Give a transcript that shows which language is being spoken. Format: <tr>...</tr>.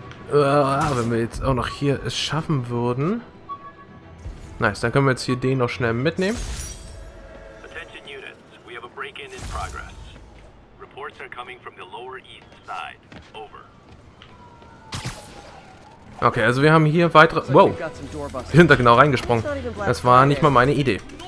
<de>Wenn wir jetzt auch noch hier es schaffen würden. Nice, dann können wir jetzt hier den noch schnell mitnehmen.</de> <en>Attention units, we have a break-in in progress. Reports are coming from the lower east side. Over.</en> <de>Okay, also wir haben hier weitere. Wow! Wir sind da genau reingesprungen. Das war nicht mal meine Idee.</de>